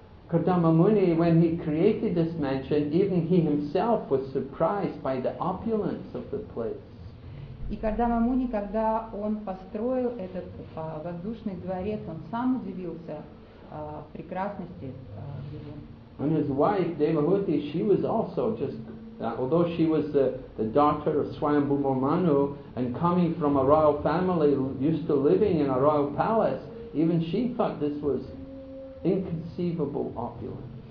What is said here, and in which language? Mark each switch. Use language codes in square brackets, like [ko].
[en] Kardama Muni, when he created this mansion, even he himself was surprised by the opulence of the place. [ru] И Кардама Муни, когда он построил этот воздушный дворец, он сам удивился прекрасности его. [en] And his wife Devahuti, she was also just, although she was the daughter of Swayambhuva Manu and coming from a royal family, used to living in a royal palace, even she thought this was inconceivable opulence.